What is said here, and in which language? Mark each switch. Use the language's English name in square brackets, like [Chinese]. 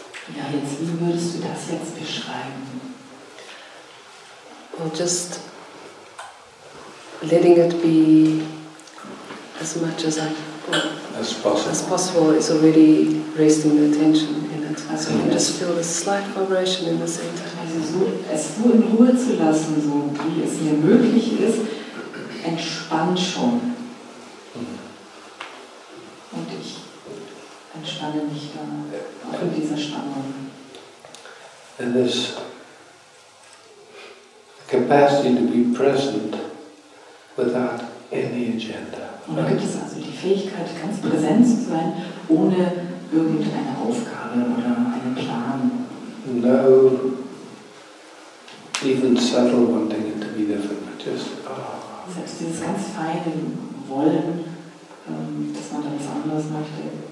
[German] Ja, jetzt, wie würdest du das jetzt beschreiben? [English] Well, just letting it be as much as I as possible is already resting the attention in it. Also you can just feel a slight vibration in the center. [German] Also so, es so in Ruhe zu lassen, so wie es mir möglich ist, entspannt schon. Und ich entspanne mich da auch in dieser Spannung. [English] And this capacity to be present without any agenda. [German] Und da gibt es also die Fähigkeit, ganz präsent zu sein, ohne irgendeine Aufgabe oder einen Plan. [English] No, even subtle wanting it to be different, just oh. [German] Selbst dieses ganz feine Wollen, dass man dann was anderes möchte.